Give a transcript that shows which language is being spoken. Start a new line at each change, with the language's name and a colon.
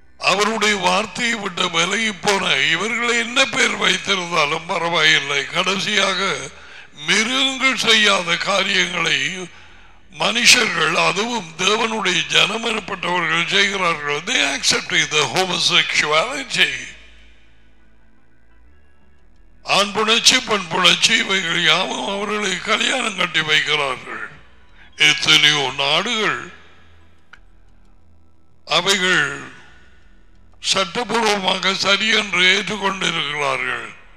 Tamil: அவருடைய வார்த்தையை விட்ட விலகி போன இவர்களை என்ன பேர் வைத்திருந்தாலும் பரவாயில்லை. கடைசியாக மிருகங்கள் செய்யாத காரியங்களை மனுஷர்கள், அதுவும் தேவனுடைய ஜனம் எனப்பட்டவர்கள் செய்கிறார்கள்.
English: They accept the homosexuality.
Tamil: ஆண் புணர்ச்சி பெண் புணர்ச்சி இவைகள் யாவும் அவர்களை கல்யாணம் கட்டி வைக்கிறார்கள். எத்தனையோ நாடுகள் அவைகள் சட்டபூர்வமாக சரி என்று ஏற்றுக்கொண்டிருக்கிறார்கள்.